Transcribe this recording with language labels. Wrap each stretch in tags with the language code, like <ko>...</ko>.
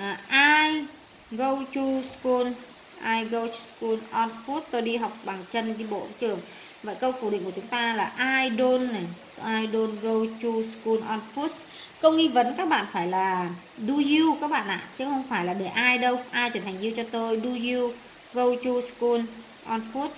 <en>I go to school. I go to school on foot.</en> <vi>Tôi đi học bằng chân, đi bộ trường. Vậy câu phủ định của chúng ta là</vi> <en>I don't</en> <vi>này.</vi> <en>I don't go to school on foot.</en> <vi>Câu nghi vấn các bạn phải là do you các bạn ạ, chứ không phải là để ai đâu. Ai trở thành you cho tôi.</vi> <en>Do you go to school on foot?</en>